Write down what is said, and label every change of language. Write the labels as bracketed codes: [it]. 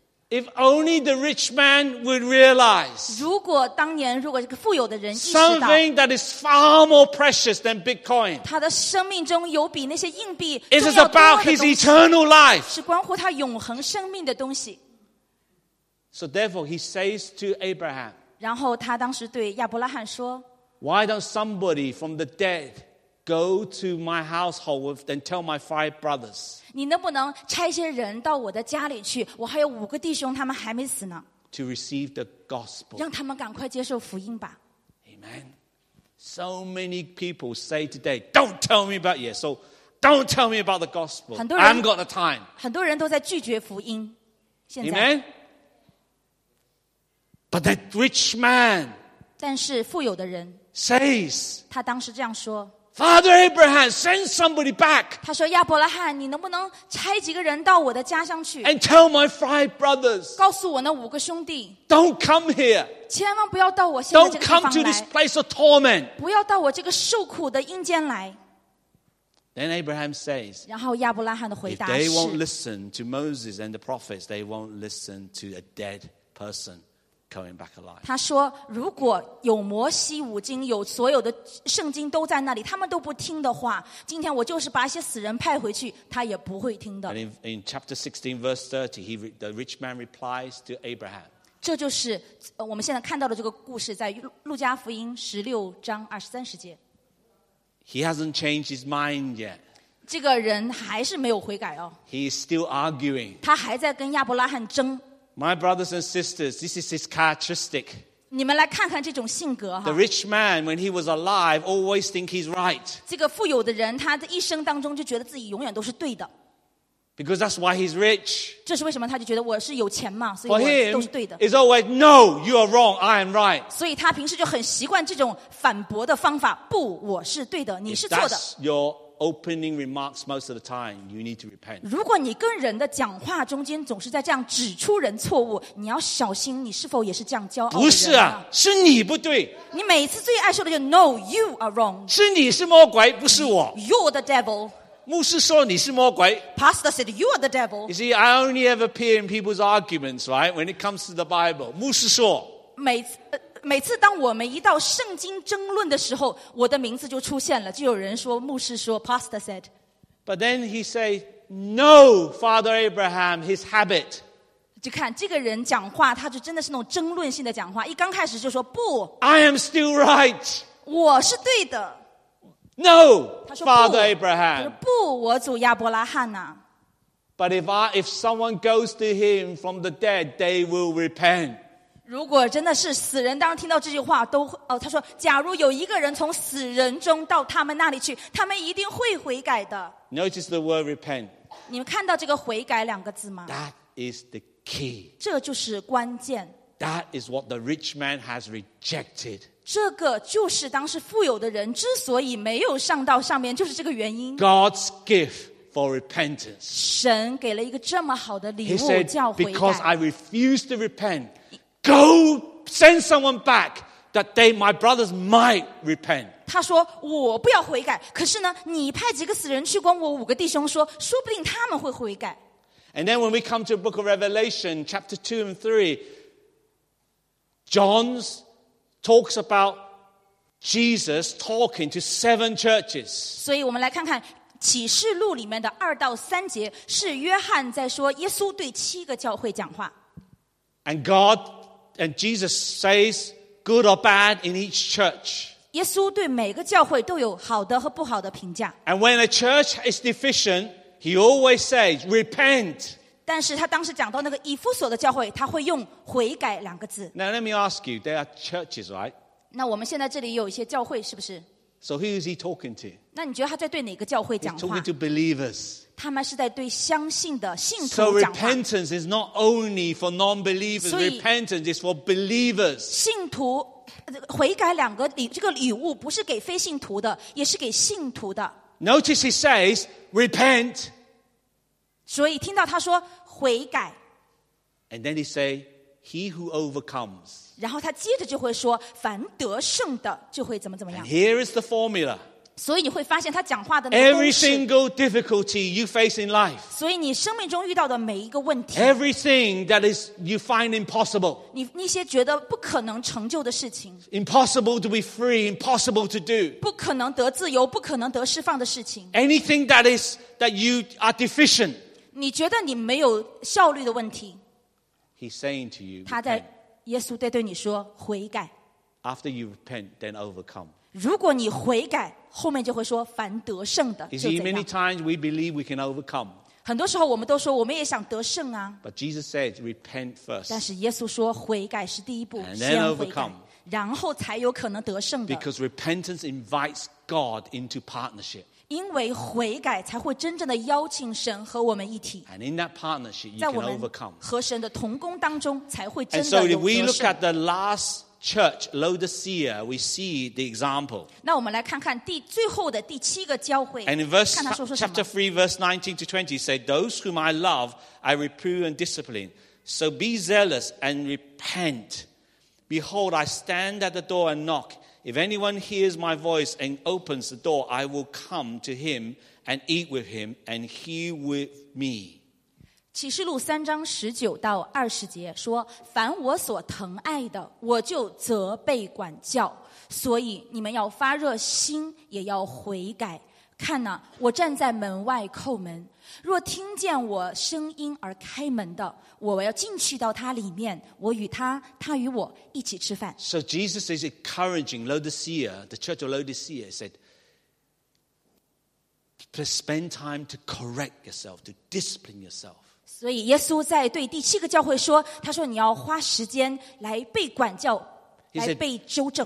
[en] If only the rich man would realize. [zh] 如果当年如果这个富有的人意识到 [en] something that is far more precious than Bitcoin. [zh] 他的生命中有比那些硬币重要多的东西。 [en] It is about his eternal life. [zh] 是关乎他永恒生命的东西。 [en] So therefore, he says to Abraham. [zh] 然后他当时对亚伯拉罕说 [en] "Why don't somebody from the dead go to my household and tell my 5 brothers?" [zh] 你能不能差一些人到我的家里去？我还有五个弟兄，他们还没死呢。 [en] To receive the gospel. [zh] 让他们赶快接受福音吧。 [en] Amen. So many people say today, "Don't tell me about yes." So, don't tell me about the gospel. I haven't got the time. [zh] 很多人都在拒绝福音。现在。 [en] Amen. But that rich man [zh] 但是富有的人 [en] says, [zh] 他当时这样说 [en] Father Abraham, send somebody back. [zh] 他说亚伯拉罕你能不能差几个人到我的家乡去 [en] And tell my 5 brothers. [zh] 告诉我那五个兄弟 [en] Don't come here. [zh] 千万不要到我现在这个地方来 [en] Don't come to this place of torment. [zh] 不要到我这个受苦的阴间来 [en] Then Abraham says, [zh] 然后亚伯拉罕的回答是 [en] If they won't listen to Moses and the prophets, they won't listen to a dead person. [zh] 他说如果有摩西五经有所有的圣经都在那里他们都不听的话今天我就是把一些死人派回去他也不会听的 [en] in chapter 16 verse 30 the rich man replies to Abraham [zh] 这就是我们现在看到的这个故事在路加福音16章23节 [en] He hasn't changed his mind yet [zh] 这个人还是没有悔改哦 [en] He is still arguing [zh] 他还在跟亚伯拉罕争 [en] My brothers and sisters, this is his characteristic. [zh] 你们来看看这种性格。 [en] The rich man, when he was alive, always think he's right. [zh] 这个富有的人，他的一生当中就觉得自己永远都是对的。 [en] Because that's why he's rich. [zh] 这是为什么他就觉得我是有钱嘛，所以我都是对的。 [en] For him, it's always no, you are wrong, I am right. [zh] 所以他平时就很习惯这种反驳的方法。不，我是对的，你是错的。 [en] If that's your opening remarks most of the time you need to repent [zh] 如果你跟人的讲话中间总是在这样指出人错误你要小心你是否也是这样骄傲的人、啊、不是啊是你不对你每次最爱说的就是 [en] No you are wrong [zh] 是你是魔鬼不是我 [en] You're the devil [zh] 牧师说你是魔鬼 [en] Pastor said you are the devil You see I only ever appear in people's arguments right when it comes to the Bible [zh] 牧师说每次当我们一到圣经争论的时候我的名字就出现了就有人说牧师说 [en] Pastor said But then he said No Father Abraham His habit [zh] 就看这个人讲话他就真的是那种争论性的讲话一刚开始就说不 [en] I am still right [zh] 我是对的 [en] No Father Abraham [zh] 他说不我祖亚伯拉罕啊 [en] But if someone goes to him from the dead they will repent [zh] 如果真的是死人当听到这句话都、哦、他说假如有一个人从死人中到他们那里去他们一定会悔改的 [en] Notice the word repent [zh] 你们看到这个悔改两个字吗 [en] That is the key [zh] 这就是关键 [en] That is what the rich man has rejected [zh] 这个就是当时富有的人之所以没有上到上面就是这个原因 [en] God's gift for repentance [zh] 神给了一个这么好的礼物 [en] He said, [zh] 叫悔改 [en] Because I refuse to repentGo send someone back that they, my brothers, might repent. [zh] 他说我不要悔改，可是呢，你派几个死人去跟我五个弟兄说，说不定他们会悔改。 [en] And then when we come to the book of Revelation, chapter 2 and 3, John talks about Jesus talking to 7 churches. [zh] 所以我们来看看。启示录里面的2到3节是约翰在说耶稣对7个教会讲话。 [en] And God. And Jesus says good or bad in each church. [zh] 耶稣对每个教会都有好的和不好的评价。 [en] And when a church is deficient, he always says repent. [zh] 但是他当时讲到那个以弗所的教会，他会用悔改两个字。 [en] Now let me ask you, there are churches, right? [zh] 那我们现在这里有一些教会，是不是？ [en] So who is he talking to? [zh] 那你觉得他在对哪个教会讲话？ [en] He's talking to believers. [zh] 他们是在对相信的信徒讲话。 [en] So repentance is not only for non-believers. Repentance is for believers. [zh] 信徒悔改两个礼这个礼物不是给非信徒的，也是给信徒的。 [en] Notice he says, repent. [zh] 所以听到他说悔改。 [en] And then he say, he who overcomes. [zh] 然后他接着就会说凡得胜的就会怎么怎么样。 [en] And here is the formula. [zh] 所以你会发现他讲话的那个公式。 [en] Every single difficulty you face in life. [zh] 所以你生命中遇到的每一个问题。 [en] Everything that is you find impossible. [zh] 你那些觉得不可能成就的事情。 [en] Impossible to be free, impossible to do. [zh] 不可能得自由，不可能得释放的事情。 [en] Anything that is that you are deficient. [zh] 你觉得你没有效率的问题。 [en] He's saying to you. [zh] 他在耶稣对你说悔改。 [en] After you repent, then overcome. [zh] 如果你悔改。后面就会说凡得胜的就怎样。 [en] You see, many times we believe we can overcome. [zh] 很多时候我们都说我们也想得胜啊。 [en] But Jesus said, repent first. [zh] 但是耶稣说悔改是第一步，先悔改。 [en] And then overcome. [zh] 然后才有可能得胜的。 [en] Because repentance invites God into partnership. [zh] 因为悔改才会真正的邀请神和我们一体。 [en] And in that partnership, you can overcome. [zh] 在我们和神的同工当中才会真的有得胜。 [en] And so if we look at the last... Church, Laodicea, we see the example. [zh] 那我们来看看第最后的第七个教会。 [en] And in verse chapter 3, verse 19 to 20, say, Those whom I love, I reprove and discipline. So be zealous and repent. Behold, I stand at the door and knock. If anyone hears my voice and opens the door, I will come to him and eat with him and he with me. [zh] 启示录三章十九到二十节说凡我所疼爱的我就责备管教所以你们要发热心也要悔改看哪、啊、我站在门外叩门若听见我声音而开门的我要进去到他里面我与他他与我一起吃饭 [en] So Jesus is encouraging Laodicea the church of Laodicea said spend time to correct yourself to discipline yourself [zh] 所以耶稣在对第七个教会说他说你要花时间来被管教来被纠正